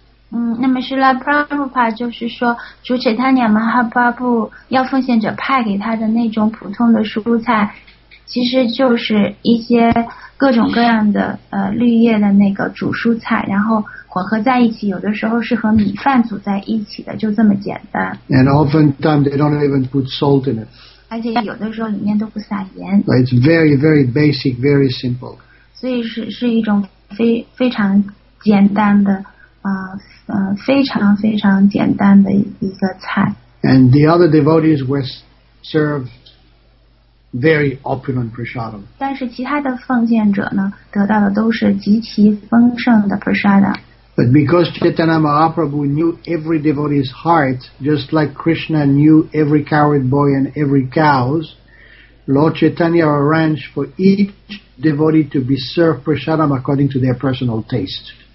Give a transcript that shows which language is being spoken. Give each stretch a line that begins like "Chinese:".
Chinese: 那么是 Prabhupada 就是说主 Chaitanya Mahaprabhu 要奉献者派给他的那种普通的蔬菜其实就是一些各种各样的绿叶的那个煮蔬菜然后混合在一起有的时候是和米饭煮在一起的就这么简单
English: And oftentimes they don't even put salt in it
Chinese: 而且有的时候里面都不撒盐
English: But it's very very basic, very simple
Chinese: 所以 是一种 非常简单的非常非常简单的一个菜。
English: And the other devotees were served very opulent prasadam.
Chinese: 但是其他的奉献者呢，得到的都是极其丰盛的 prasadam.
English: But because Chaitanya Mahaprabhu knew every devotee's heart, just like Krishna knew every cowherd boy and every cows, Lord Chaitanya arranged for each devotee to be served prasadam according to their personal taste.